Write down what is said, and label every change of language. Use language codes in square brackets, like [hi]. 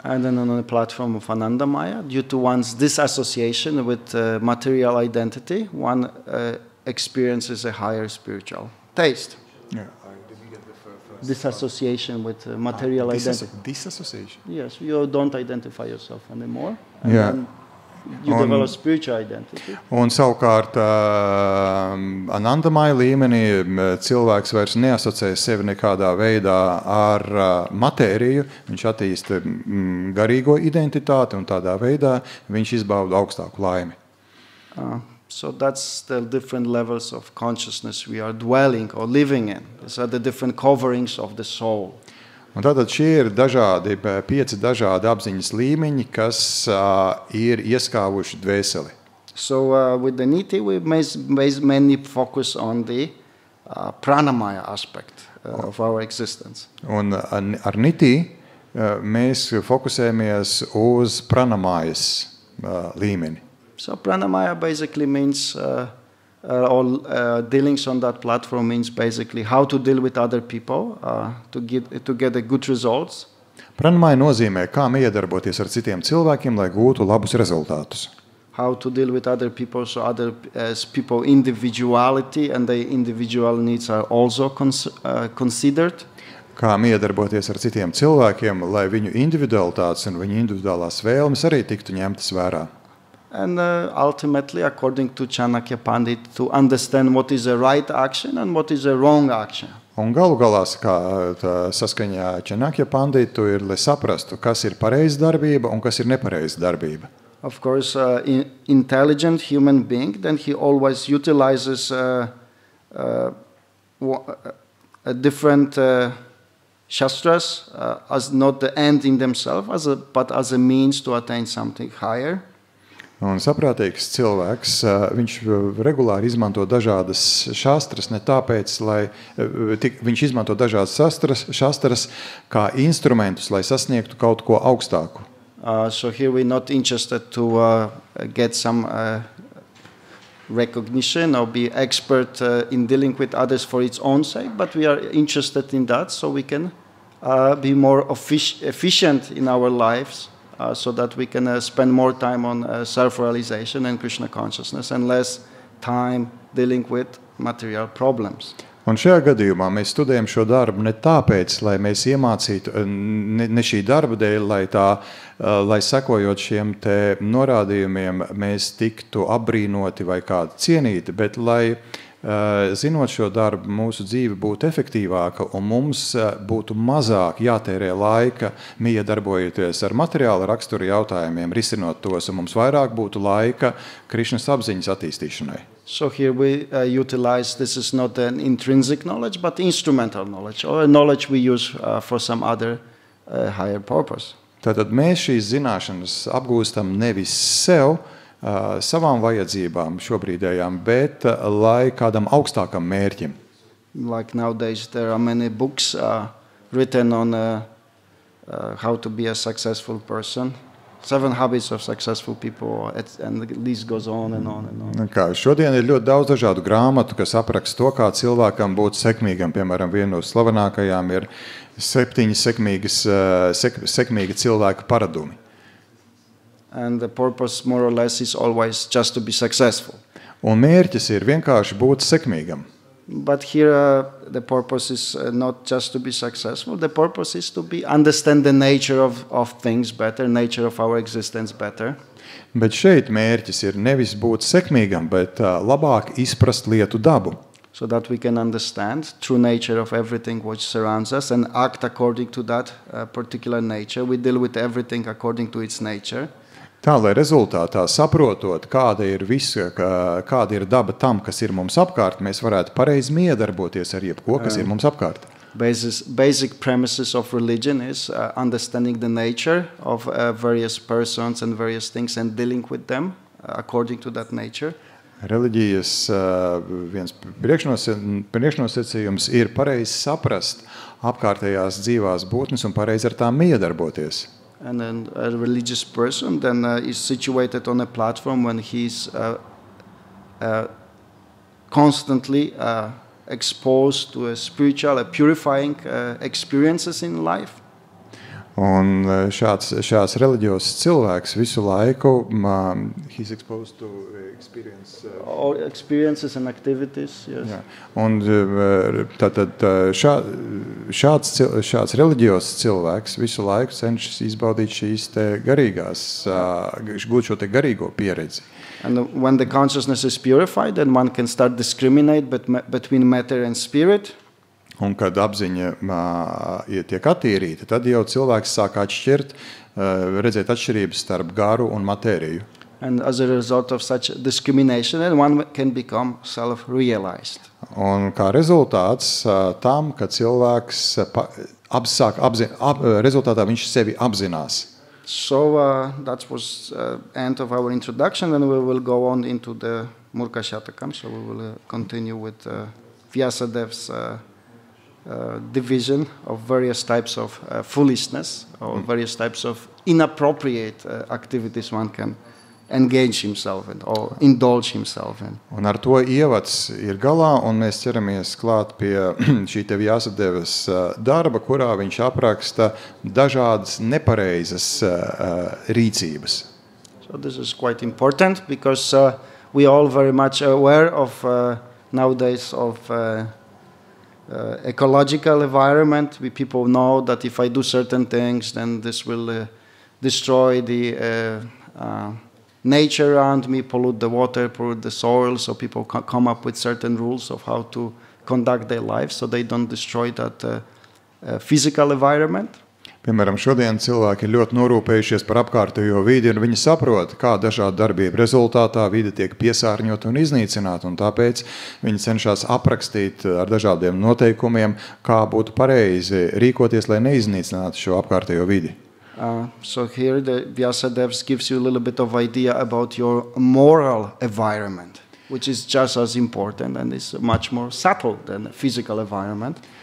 [en] And then on the platform of Anandamaya, due to one's disassociation with material identity, one experiences a higher spiritual taste. Disassociation with material identity. Disassociation? Yes, you don't identify yourself anymore. And yeah. Then you develop spiritual identity. [lv] Un savukārt, Anandamaya līmenī cilvēks vairs neasociē sevi nekādā veidā ar matēriju. Viņš attīsta garīgo identitāti un tādā veidā viņš izbauda augstāku laimi. [en] So that's the different levels of consciousness we are dwelling or living in. These are the different coverings of the soul. [lv] Un tātad šie ir dažādi, pieci dažādi apziņas līmeņi, kas ir ieskāvuši dvēseli. [en] So with the niti we mainly focus on the pranamaya aspect of our existence. [lv] Un ar niti mēs fokusējamies uz pranamayas līmeni. [en] So pranamaya basically means all dealings on that platform means basically how to deal with other people to get a good results. [lv] Pranamaya nozīmē kā iedarboties ar citiem cilvēkiem lai gūtu labus rezultātus. [en] How to deal with other people, so other people individuality and their individual needs are also considered. [lv] Kā iedarboties ar citiem cilvēkiem lai viņu individualitātes un viņu individuālās vēlmes arī tiktu ņemtas vērā. [en] And ultimately, according to Chanakya Pandit, to understand what is a right action and what is a wrong action. [lv] Un galu galās, kā saskaņā Chanakya Panditu, ir, lai saprastu, kas ir pareiza darbība un kas ir nepareiza darbība. [en] Of course, intelligent human being, then he always utilizes different shastras as not the end in themselves, but as a means to attain something higher. [lv] Un saprātīgs cilvēks, viņš regulāri izmanto dažādas šastras, ne tāpēc, lai viņš izmanto dažādas šastras kā instrumentus, lai sasniegtu kaut ko augstāku. [en] So here we're not interested to get some recognition or be expert in dealing with others for its own sake, but we are interested in that so we can be more efficient in our lives. So that we can spend more time on self-realization and Krishna consciousness and less time dealing with material problems. [lv] Un šajā gadījumā mēs studējam šo darbu ne tāpēc, lai mēs iemācītu, ne šī darba dēļ, lai sekojot šiem te norādījumiem, mēs tiktu apbrīnoti vai kādu cienīti, bet lai zinot šo darbu, mūsu dzīve būtu efektīvāka un mums būtu mazāk jātērē laika miedarbojoties ar materiāla rakstura jautājumiem, risinot tos, un mums vairāk būtu laika Krišnas apziņas attīstīšanai. [en] So here we utilize, this is not an intrinsic knowledge, but instrumental knowledge, or a knowledge we use for some other higher purpose. [lv] Tātad mēs šīs zināšanas apgūstam nevis sev, savām vajadzībām šobrīdējām, bet lai kādam augstākam mērķim. [en] Like nowadays there are many books written on how to be a successful person. Seven habits of successful people and the list goes on and on and on. [lv] Kā šodien ir ļoti daudz dažādu grāmatu, kas apraksta to, kā cilvēkam būt sekmīgam. Piemēram, viena no slavenākajām ir septiņi sekmīgi cilvēka paradumi. [en] And the purpose more or less is always just to be successful. [lv] Un mērķis ir vienkārši būt sekmīgam. [en] But here the purpose is not just to be successful, the purpose is to be understand the nature of things better, nature of our existence better. [lv] Bet šeit mērķis ir nevis būt sekmīgam, bet labāk izprast lietu dabu. [en] So that we can understand true nature of everything which surrounds us and act according to that particular nature. We deal with everything according to its nature. [lv] Tā, lai rezultātā saprotot, kāda ir visa, kāda ir daba tam, kas ir mums apkārt, mēs varētu pareizi miedarboties ar jebko, kas ir mums apkārt. [en] Basic premises of religion is understanding the nature of various persons and various things and dealing with them according to that nature. [lv] reliģijas viens priekšnosacījums ir pareizi saprast apkārtējās dzīvās būtnes un pareizi ar tām iedarboties. [en] And then a religious person then is situated on a platform when he's constantly exposed to a spiritual a purifying experiences in life. [lv] Un šāds religiozs cilvēks visu laiku [en] he's exposed to experiences and activities, yes. Yeah. [lv] Un šāds religiozs cilvēks visu laiku cenšas izbaudīt šīs te garīgās gūt šo te garīgo pieredzi. [en] And when the consciousness is purified, then one can start discriminate between matter and spirit. [lv] Un kad apziņa tiek attīrīta, tad jau cilvēks sāk atšķirt, redzēt atšķirības starp garu un matēriju. [en] And as a result of such discrimination, one can become self-realized. [lv] Un kā rezultāts tam, ka cilvēks rezultātā viņš sevi apzinās. [en] So that was end of our introduction, and we will go on into the Murkashatakam, so we will continue with Vyasadev's division of various types of foolishness or various types of inappropriate activities one can engage himself in or indulge himself in. [lv] Un ar to ievads ir galā, un mēs ķeramies klāt pie šī te Vyasadevas darba, kurā viņš apraksta dažādas nepareizas rīcības. [en] So this is quite important because we are all very much aware of nowadays of ecological environment. We people know that if I do certain things, then this will destroy the nature around me, pollute the water, pollute the soil. So people come up with certain rules of how to conduct their lives, so they don't destroy that physical environment. [lv] Piemēram, šodien cilvēki ir ļoti norūpējušies par apkārtējo vidi, un viņi saprot, kā dažāda darbība rezultātā vide tiek piesārņota un iznīcināta, un tāpēc viņi cenšas aprakstīt ar dažādiem noteikumiem, kā būtu pareizi rīkoties, lai neiznīcinātu šo apkārtējo vidi. [en] So here the Vyasadevs gives you a little bit of idea about your moral environment, which is just as important and is much more subtle than the physical environment.